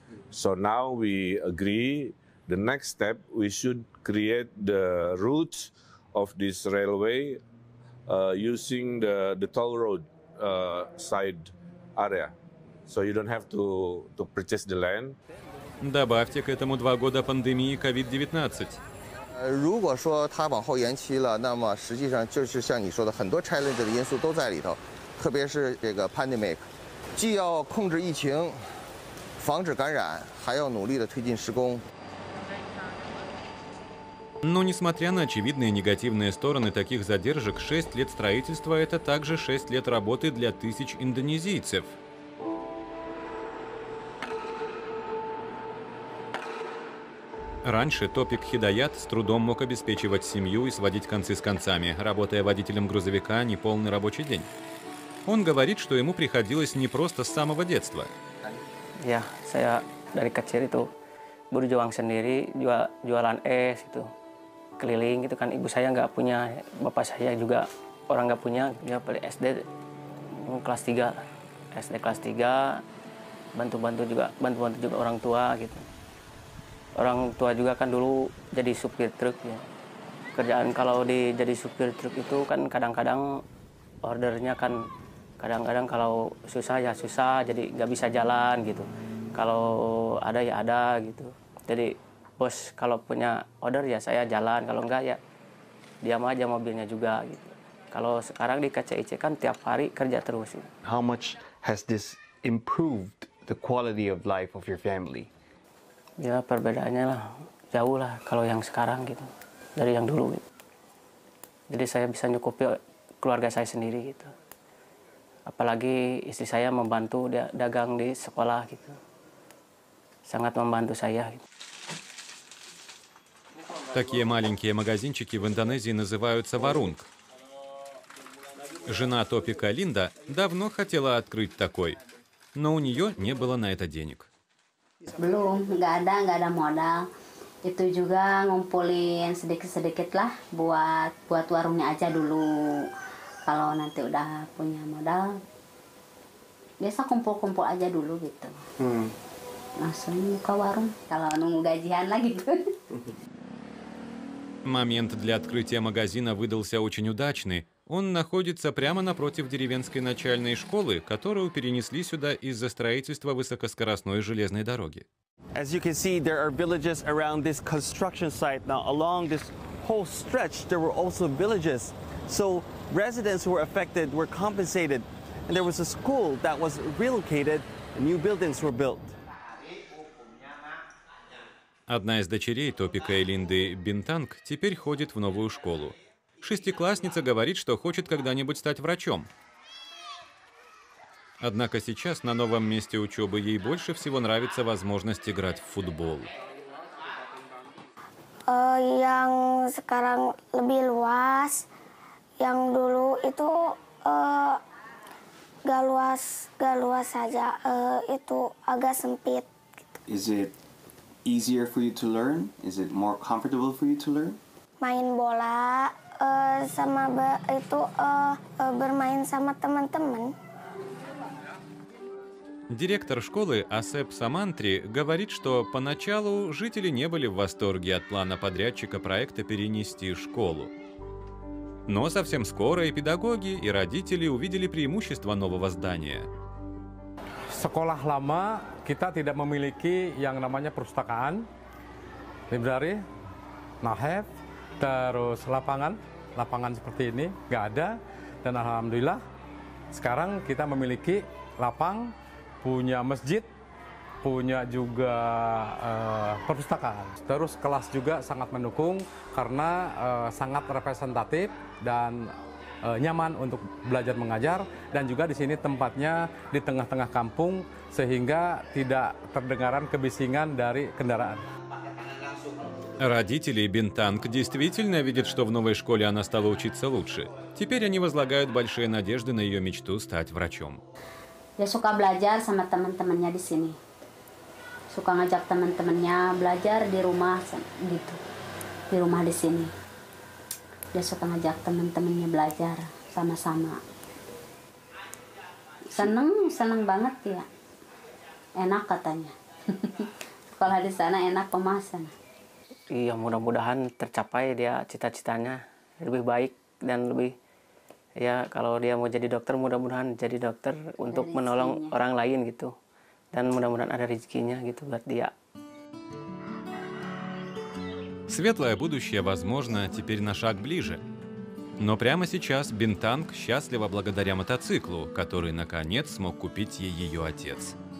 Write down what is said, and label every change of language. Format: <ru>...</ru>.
<en>So now we agree, the next step, we should create the route of this railway using the toll road side area, so you don't have to purchase the land.</en> <ru>Добавьте к этому 2 года пандемии COVID-19.</ru> <zh>如果说它往后延期了，那么实际上就是像你说的，很多 challenge 的因素都在里头，特别是这个 pandemic， 既要控制疫情，防止感染，还要努力的推进施工。</zh> <ru>Но несмотря на очевидные негативные стороны таких задержек, 6 лет строительства – это также 6 лет работы для тысяч индонезийцев. Раньше Топик Хидаят с трудом мог обеспечивать семью и сводить концы с концами, работая водителем грузовика неполный рабочий день. Он говорит, что ему приходилось не просто с самого детства.</ru> <id>Ya, saya dari kecil itu berjuang sendiri, jualan es itu, keliling gitu kan. Ibu saya nggak punya, bapak saya juga orang nggak punya. Dia dari SD kelas 3, SD kelas 3, bantu-bantu juga orang tua gitu. Orang tua juga kan dulu jadi supir truk ya. Kerjaan kalau di jadi supir truk itu kan kadang-kadang ordernya kan kadang-kadang kalau susah ya susah, jadi nggak bisa jalan gitu. Kalau ada ya ada gitu. Jadi bos kalau punya order ya saya jalan, kalau enggak ya diam aja mobilnya juga gitu. Kalau sekarang di KCIC kan tiap hari kerja terus.</id> <en>How much has this improved the quality of life of your family?</en> <id>Ya perbedaannya lah jauh lah kalau yang sekarang gitu dari yang dulu gitu. Jadi saya bisa nyukupi keluarga saya sendiri gitu. Apalagi istri saya membantu dia dagang di sekolah gitu. Sangat membantu saya gitu.</id> <ru>Такие маленькие магазинчики в Индонезии называются Warung. Жена Топика Линда давно хотела открыть такой, но у нее не было на это денег.</ru> <id>Belum, nggak ada modal. itu juga ngumpulin sedikit-sedikit lah buat buat warungnya aja dulu. Kalau nanti udah punya modal, biasa kumpul-kumpul aja dulu gitu. Langsung buka warung kalau nunggu gajian lah gitu.</id> <ru>Момент для открытия магазина выдался очень удачный. Он находится прямо напротив деревенской начальной школы, которую перенесли сюда из-за строительства высокоскоростной железной дороги.</ru> <en>As you can see, there are villages around this construction site. Now, along this whole stretch, there were also villages. So residents who were affected were compensated. And there was a school that was relocated, and new buildings were built.</en> <ru>Одна из дочерей Топика и Линды Бинтанг теперь ходит в новую школу. Шестиклассница говорит, что хочет когда-нибудь стать врачом. Однако сейчас на новом месте учебы ей больше всего нравится возможность играть в футбол.</ru> <id>Yang sekarang lebih luas, yang dulu itu gak luas saja, itu agak sempit.</id> <en>Is it easier for you to learn? Is it more comfortable for you to learn?</en> <id>Main bola sama itu bermain sama teman-teman.</id> <ru>Директор школы Асеп Самантри говорит, что поначалу жители не были в восторге от плана подрядчика проекта перенести школу. Но совсем скоро и педагоги, и родители увидели преимущества нового здания.</ru> <id>Sekolah lama kita tidak memiliki yang namanya perpustakaan, library, nahev, terus lapangan seperti ini nggak ada, dan alhamdulillah sekarang kita memiliki lapang, punya masjid, punya juga perpustakaan. Terus kelas juga sangat mendukung karena sangat representatif dan nyaman untuk belajar mengajar, dan juga di sini tempatnya di tengah-tengah kampung sehingga tidak terdengaran kebisingan dari kendaraan.</id> <ru>Родители Бинтанг действительно видят, что в новой школе она стала учиться лучше. Теперь они возлагают большие надежды на ее мечту стать врачом.</ru> <id>Я suka belajar sama teman-temannya di sini. Suka ngajak teman-temannya belajar di rumah gitu. Di rumah di sini. Dia suka ngajak teman-temannya belajar sama-sama. Senang banget ya. Enak katanya. Sekolah di sana enak pemasan. Iya, mudah-mudahan tercapai dia cita-citanya lebih baik dan lebih ya, kalau dia mau jadi dokter mudah-mudahan jadi dokter untuk menolong orang lain gitu. Dan mudah-mudahan ada rezekinya gitu buat dia.</id> <ru>Светлое будущее, возможно, теперь на шаг ближе. Но прямо сейчас Бинтанг счастлива благодаря мотоциклу, который, наконец, смог купить ей ее отец.</ru>